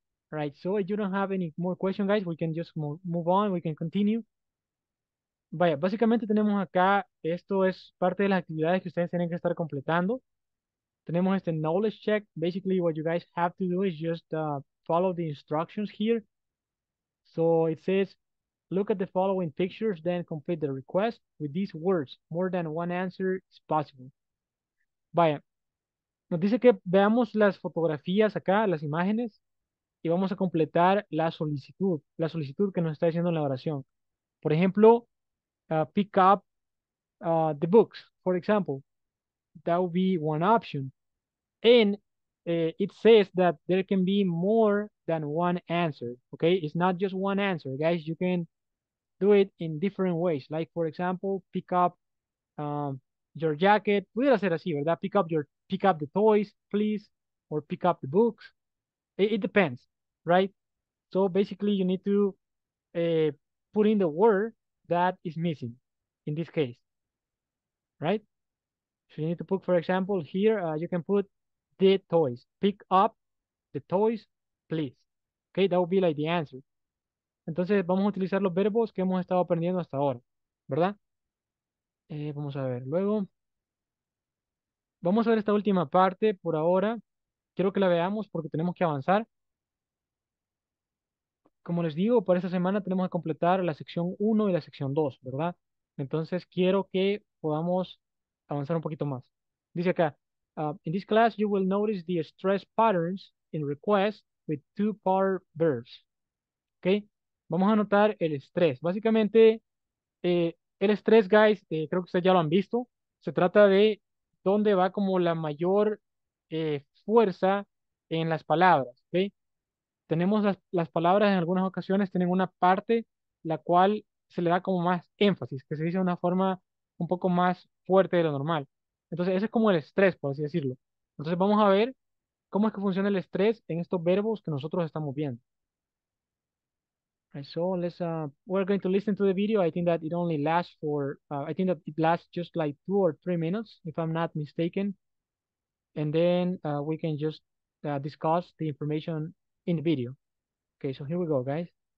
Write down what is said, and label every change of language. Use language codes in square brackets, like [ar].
[en] All right, so if you don't have any more questions, guys, we can just move on, we can continue. [es] Vaya, básicamente tenemos acá, esto es parte de las actividades que ustedes tienen que estar completando. Tenemos este knowledge check. [en] Basically, what you guys have to do is just follow the instructions here. So it says, look at the following pictures, then complete the request with these words. More than one answer is possible. [es] Vaya, nos dice que veamos las fotografías acá, las imágenes, y vamos a completar la solicitud que nos está diciendo en la oración. Por ejemplo, [en] pick up the books, for example. That would be one option. And it says that there can be more than one answer, okay? It's not just one answer, guys. You can do it in different ways. Like, for example, pick up your jacket. [es] Pudiera ser así, ¿verdad? [en] Pick up the toys, please, or pick up the books. It depends, right? So basically, you need to put in the word that is missing in this case, right? So you need to put, for example, here, you can put the toys. Pick up the toys, please. Okay, that would be like the answer. [es] Entonces, vamos a utilizar los verbos que hemos estado aprendiendo hasta ahora, ¿verdad? Vamos a ver, luego. Vamos a ver esta última parte por ahora. Quiero que la veamos porque tenemos que avanzar. Como les digo, para esta semana tenemos que completar la sección 1 y la sección 2, ¿verdad? Entonces, quiero que podamos avanzar un poquito más. Dice acá, [en] in this class you will notice the stress patterns in requests with two-part verbs. [es] ¿Ok? Vamos a notar el estrés. Básicamente, el estrés, guys, creo que ustedes ya lo han visto. Se trata de dónde va como la mayor fuerza en las palabras. ¿Ok? Tenemos las palabras en algunas ocasiones tienen una parte la cual se le da como más énfasis, que se dice de una forma un poco más fuerte de lo normal. Entonces, ese es como el estrés, por así decirlo. Entonces, vamos a ver cómo es que funciona el estrés en estos verbos que nosotros estamos viendo. [en] So, let's, we're going to listen to the video. I think that it only lasts for, I think that it lasts just like 2 or 3 minutes, if I'm not mistaken. And then we can just discuss the information in the video. Okay, so here we go, guys.